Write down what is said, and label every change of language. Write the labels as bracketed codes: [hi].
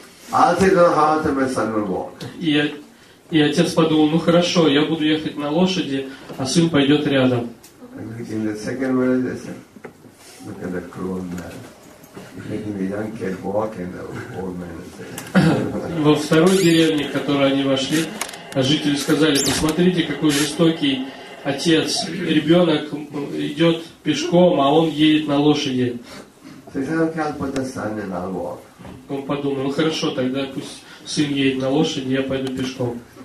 [en] I'll take the horse and my son will walk. [ru] И отец подумал: ну хорошо, я буду ехать на лошади, а сын пойдет рядом. [en] In the second verse, said, look at that cruel man. You're making the young kid walk and the old man is there. [ru] Во второй деревне, в которую они вошли, жители сказали: посмотрите, какой жестокий отец. Ребенок идет пешком, а он едет на лошади. [en] So he said, okay, I'll put the son and I'll walk. [ru] Он подумал: ну хорошо, тогда пусть сын едет на лошади, я пойду пешком.